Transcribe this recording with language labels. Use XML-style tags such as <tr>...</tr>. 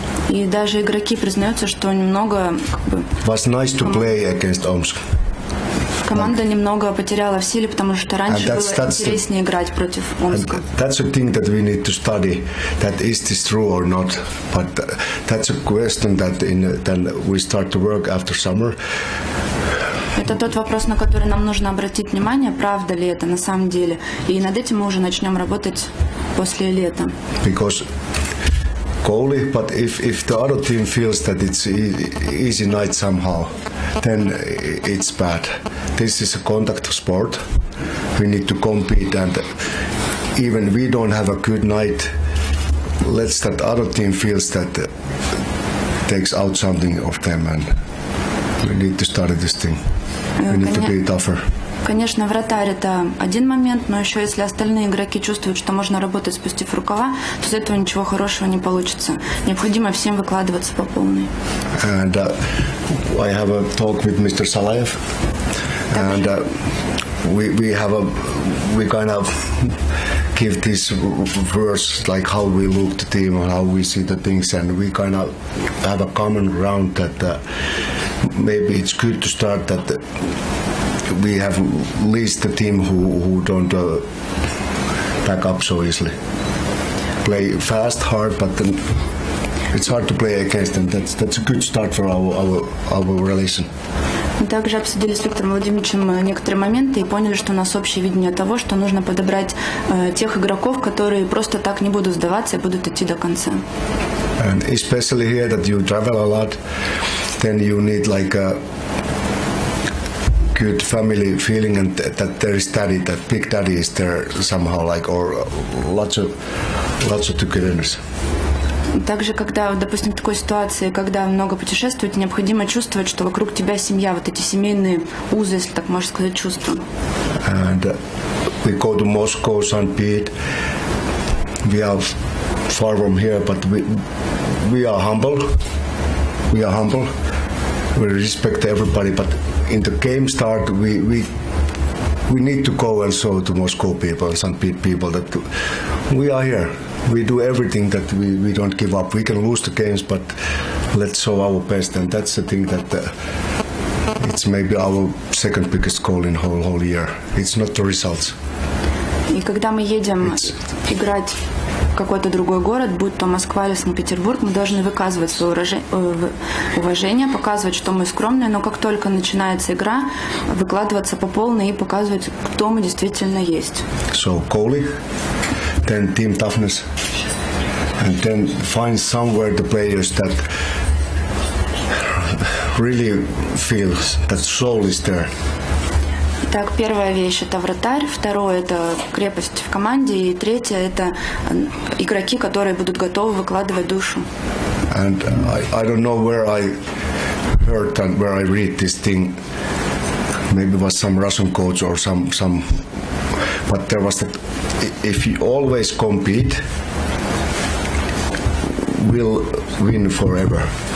<ru>И даже игроки признаются, что немного.</ru> <en>Was nice to play against Omsk.</en> <ru>Команда like, немного потеряла в силе, потому что раньше было интереснее играть против Омска.</ru> <en>That's a thing that we need to study. That is this true or not? But that's a question that in then we start to work after summer.</en> <ru>Это тот вопрос, на который нам нужно обратить внимание, правда ли это на самом деле. И над этим мы уже начнем работать после лета.</ru> <en>Because goalie, but if the other team feels that it's easy night somehow, then it's bad. This is a contact sport. We need to compete, and even we don't have a good night, let's that other team feels that takes out something of them, and we need to start this thing. We need to be tougher.</en> <ru>Конечно, вратарь – это один момент, но еще если остальные игроки чувствуют, что можно работать, спустив рукава, то из этого ничего хорошего не получится. Необходимо всем выкладываться по полной.</ru> <en>And I have a talk with Mr. Salaev. And we kind of give this verse, like how we look the team, how we see the things, and we kind of have a common ground that maybe it's good to start that we have least the team who don't back up so easily. Play fast, hard, but then it's hard to play against them. That's a good start for our relation.</en> <ru>Мы также обсудили с Виктором Владимировичем некоторые моменты и поняли, что у нас общее видение того, что нужно подобрать тех игроков, которые просто так не будут сдаваться и будут идти до конца.</ru> <en>And especially here that you travel a lot, then you need like a good family feeling, and that there is daddy, that big daddy is there somehow, like, or lots of togetherness.</en> <ru>Также, когда, допустим, в такой ситуации, когда много путешествуете, необходимо чувствовать, что вокруг тебя семья, вот эти семейные узы, если так можно сказать, чувства.</ru> <en>And we go to Moscow, St. Pete. We are far from here, but we are humble. We respect everybody, but in the game start, we need to go and show to Moscow people, St. Pete people, that we are here. We do everything that we don't give up. We can lose the games, but let's show our best. And that's the thing that it's maybe our second biggest goal in whole year. It's not the results.</en> <ru>И когда мы едем играть какой-то другой город, будь то Москва или Санкт-Петербург, мы должны выказывать свое уважение, показывать, что мы скромные, но как только начинается игра, выкладываться по полной и показывать, кто мы действительно есть.</ru> <en>So, Coley, then team toughness, and then find somewhere the players that really feels that soul is there.</en> <ru>Так, первая вещь – это вратарь, второе – это крепость в команде, и третье – это игроки, которые будут готовы выкладывать душу.</ru> <en>And I don't know where I heard and where I read this thing. Maybe it was some Russian coach or some, but there was that if you always compete, we'll win forever.</en>